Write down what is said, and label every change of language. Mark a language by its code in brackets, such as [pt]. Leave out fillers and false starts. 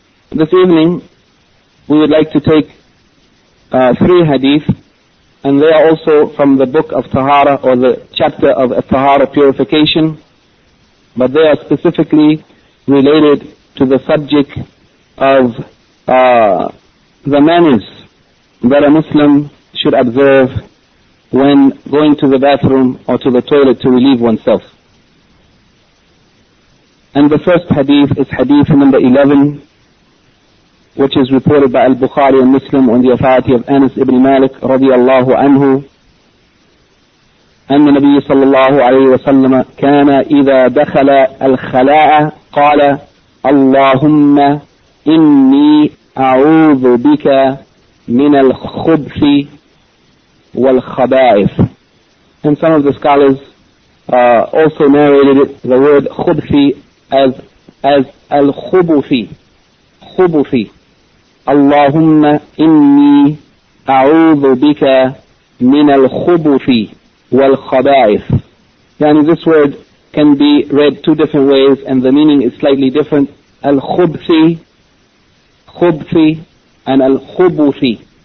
[en] This evening, we would like to take three hadith, and they are also from the book of Tahara, or the chapter of Tahara, purification, but they are specifically related to the subject of the manners that a Muslim should observe when going to the bathroom or to the toilet to relieve oneself. And the first hadith is hadith number 11, which is reported by Al-Bukhari and Muslim on the authority of Anas ibn Malik radiallahu anhu. [ar] أن النبي صلى الله عليه وسلم كان إذا دخل الخلاء قال اللهم إني أعوذ بك من الخبث والخبائث. [en] And some of the scholars also narrated the word خبث as الخبث. [ar] خبث. اللهم إني أعوذ بك من الخبث. والخبائث. يعني [en] this word can be read two different ways and the meaning is slightly different. [ar] الخبثي خبثي [en] and [ar] الخبثي.